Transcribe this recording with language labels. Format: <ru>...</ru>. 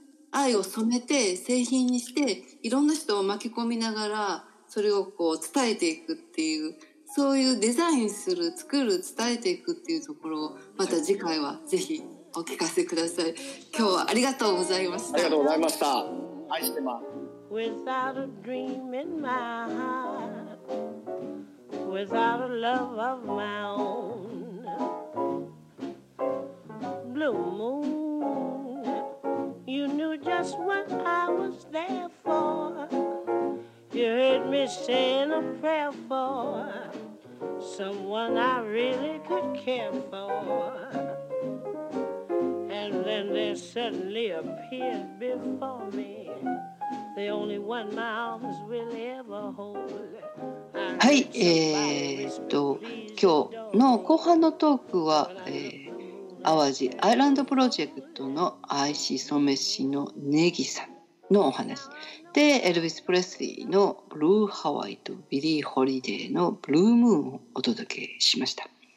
<ja>愛を染めて製品にして、いろんな人を巻き込みながらそれをこう伝えていくっていう、そういうデザインする、作る、伝えていくっていうところをまた次回はぜひお聞かせください。今日はありがとうございました。ありがとうございました。愛してます。</ja> <en>Without a dream in my heart, without a love of my own, blue moon, you knew just what I was there for. You heard me saying a prayer for someone I really could care for. And then they suddenly appeared before me, the only one my arms will ever hold.</en> <ja>はい、今日の後半のトークは、淡路アイランドプロジェクトの愛し染め師のネギさんのお話で、エルヴィス・プレスリーのブルーハワイとビリー・ホリデーのブルームーンをお届けしました。</ja>